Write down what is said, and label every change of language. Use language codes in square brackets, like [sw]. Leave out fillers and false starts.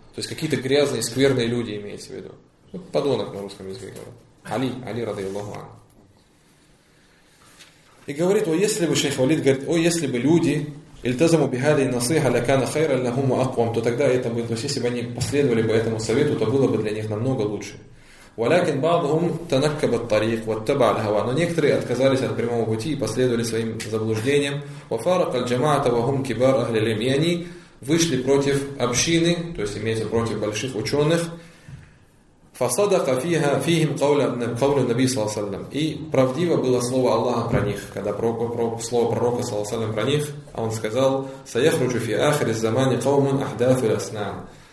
[ru] То есть какие-то грязные, скверные люди, имеется в виду. Ну, подонок на русском языке говорят. Али, Али радиаллаху анху. И говорит: о, если бы, шейх Валид говорит, о, если бы люди [ar] ильтазаму бихадай насиха лякана хайра ляхуму акум, [ru] то тогда это бы, то есть если бы они последовали бы этому совету, то было бы для них намного лучше. [ar] ولكن بعضهم تنكب الطريق واتبع الهوى. [ru] Но некоторые отказались от прямого пути и последовали своим заблуждениям. [ar] وفارق الجماعة وهم كبار أهل العلم. [ru] И они вышли против общины, то есть имеется против больших ученых. [ar] فصدق فيها فيهم قول قول النبي صلى الله عليه وسلم. [ru] И правдиво было слово Аллаха про них, когда слово пророка صلى الله عليه وسلم про них, а он сказал: [ar] سيخرج في آخر الزمان قوم أحداث الأصنام.